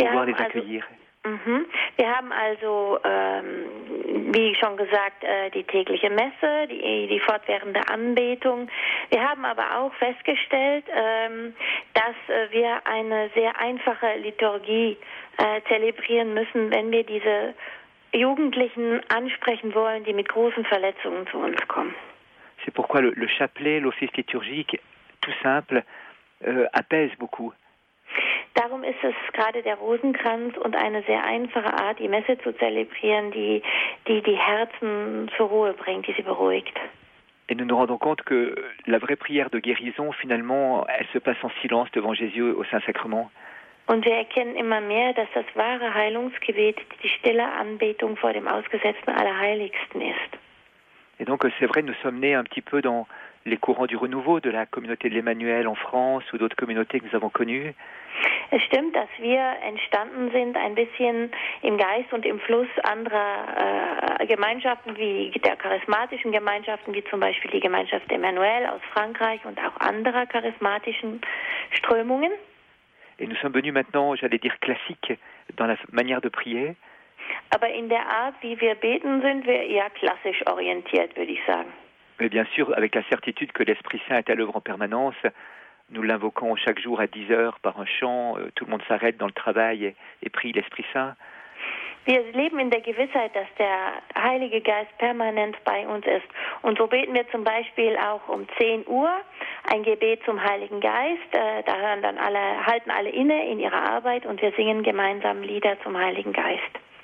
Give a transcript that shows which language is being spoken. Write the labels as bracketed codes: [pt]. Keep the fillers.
[fr] Bien, pouvoir les alors- accueillir. Mhm. [de] Wir haben also, ähm, wie schon gesagt, äh, die tägliche Messe, die, die fortwährende Anbetung. Wir haben aber auch festgestellt, ähm, dass äh, wir eine sehr einfache Liturgie äh, zelebrieren müssen, wenn wir diese Jugendlichen ansprechen wollen, die mit großen Verletzungen zu uns kommen. [fr] C'est pourquoi le, le chapelet, l'office liturgique, tout simple, euh, apaise beaucoup. [de] Darum ist es gerade der Rosenkranz und eine sehr einfache Art, die Messe zu zelebrieren, die die, die Herzen zur Ruhe bringt, die sie beruhigt. [fr] Et nous nous rendons compte que la vraie prière de guérison, finalement, elle se passe en silence devant Jésus au Saint-Sacrement. [de] Und wir erkennen immer mehr, dass das wahre Heilungsgebet die stille Anbetung vor dem ausgesetzten Allerheiligsten ist. [fr] Et donc, euh, c'est vrai, nous sommes nés un petit peu dans les courants du renouveau de la communauté de l'Emmanuel en France ou d'autres communautés que nous avons connues. [de] Es stimmt, dass wir entstanden sind ein bisschen im Geist und im Fluss anderer äh, Gemeinschaften wie der charismatischen Gemeinschaften, wie zum Beispiel die Gemeinschaft Emmanuel aus Frankreich und auch anderer charismatischen Strömungen. [fr] Et nous sommes venus maintenant, j'allais dire classiques, dans la f- manière de prier. [de] Aber in der Art, wie wir beten, sind wir eher klassisch orientiert, würde ich sagen. [fr] Mais bien sûr, avec la certitude que l'Esprit Saint est à l'œuvre en permanence, nous l'invoquons chaque jour à 10 heures par un chant, euh, tout le monde s'arrête dans le travail et, et prie l'Esprit Saint. [de] Wir leben in der Gewissheit, dass der Heilige Geist permanent bei uns ist. Und so beten wir zum Beispiel auch um 10 Uhr ein Gebet zum Heiligen Geist. Äh, Da hören dann alle, halten alle inne in ihrer Arbeit und wir singen gemeinsam Lieder zum Heiligen Geist.